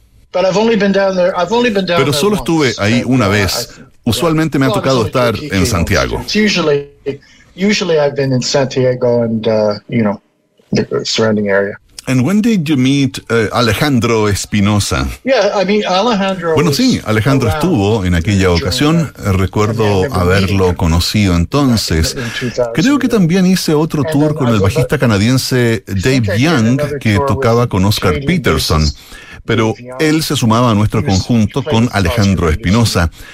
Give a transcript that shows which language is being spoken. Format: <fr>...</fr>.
<es>Pero solo estuve ahí una vez. Usualmente me ha tocado estar en Santiago.</es> <en>Usually I've been in Santiago and, you know, the surrounding area. And when did you meet Alejandro Espinosa?</en> <es>Bueno, sí, Alejandro estuvo en aquella ocasión. Recuerdo haberlo conocido entonces. Creo que también hice otro tour con el bajista canadiense Dave Young, que tocaba con Oscar Peterson. Pero él se sumaba a nuestro conjunto con Alejandro Espinosa.</es>